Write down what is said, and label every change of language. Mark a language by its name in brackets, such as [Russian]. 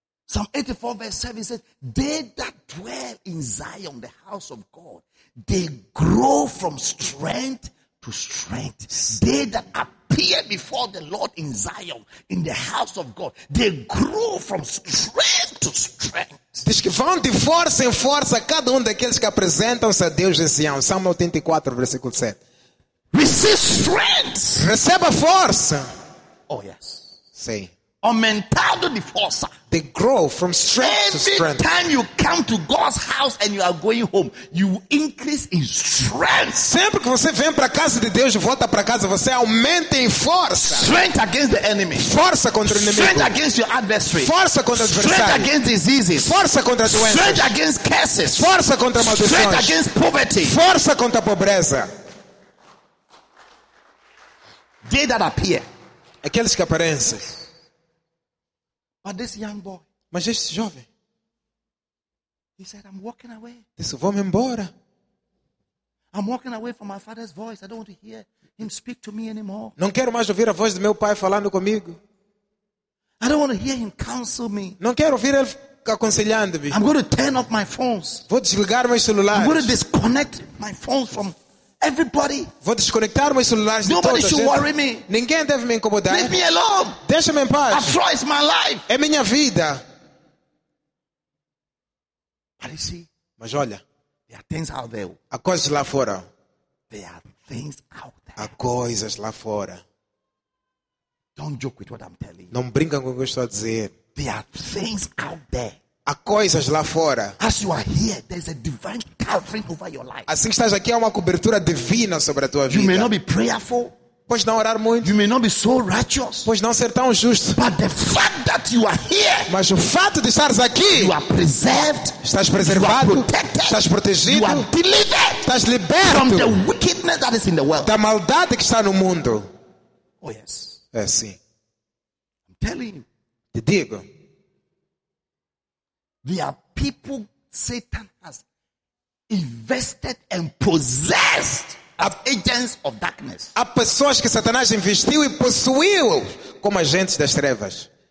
[English] Psalm 84, verse 7 says, they that dwell in Zion, the house of God, they grow from strength to strength. They that appear before the Lord in Zion, in the house of God, they grow from strength to strength. [Portuguese] Diz que vão de força em força cada daqueles que apresentam-se a Deus em Zion. Psalm 84, versículo 7. [English] Receive strength. [Portuguese] Receba força. [English] Oh yes. Say. [Portuguese] Aumentado de força. [English] They grow from strength every to strength. Every time you come to God's house and you are going home, you increase in strength. [Portuguese] Sempre que você vem para casa de Deus e volta para casa, você aumenta em força. [English] Strength against the enemy. [Portuguese] Força contra o inimigo. [English] Strength against your adversary. [Portuguese] Força contra o adversário. [English] Strength against diseases. [Portuguese] Força contra doenças. [English] Strength against curses. [Portuguese] Força contra maldições. [English] Strength against poverty. [Portuguese] Força contra a pobreza. [English] They that appear. [Portuguese] Aqueles que aparecem. [English] But this young boy. [Portuguese] Mas este jovem. [English] He said, I'm walking away. [Portuguese] Disse, vou-me embora. [English] I'm walking away from my father's voice. I don't want to hear him speak to me anymore. [Portuguese] Não quero mais ouvir a voz do meu pai falando comigo. [English] I don't want to hear him counsel me. [Portuguese] Não quero ouvir ele aconselhando-me. [English] I'm going to turn off my phones. [Portuguese] Vou desligar meus celulares. [English] I'm going to disconnect my phones from everybody. [Portuguese] Vou desconectar meus celulares de toda a gente. [English] Worry me. [Portuguese] Ninguém deve me incomodar. [English] Leave me alone. [Portuguese] Deixa-me em paz. [English] After all, it's my life. [Portuguese] É minha vida. [English] But you see, [Portuguese] mas olha, [English] there are things out there. [Portuguese] Há coisas lá fora. [English] There are things out there. [Portuguese] Há coisas lá fora. [English] Don't joke with what I'm telling. [Portuguese] Não brinca com o que eu estou a dizer. [English] There are things out there. [Portuguese] Há coisas lá fora. [English] As you are here, there's a divine covering over your life. [Portuguese] Assim que estás aqui, há uma cobertura divina sobre a tua vida. [English] You may not be prayerful. [Portuguese] Pois não orar muito. [English] You may not be so righteous. [Portuguese] Pois não ser tão justo. [English] But the fact that you are here. [Portuguese] Mas o fato de estares aqui. [English] You are preserved. [Portuguese] Estás preservado. [English] You are protected. [Portuguese] Estás protegido. [English] You are delivered. [Portuguese] Estás liberto. [English] From the wickedness that is in the world. [Portuguese] Da maldade que está no mundo. [English] Oh yes. [Portuguese] É sim. [English] I'm telling you. [Portuguese] Te digo. [English] There are people Satan has invested and possessed as agents of darkness. [Portuguese] Há pessoas que Satanás investiu e possuiu como agentes das trevas.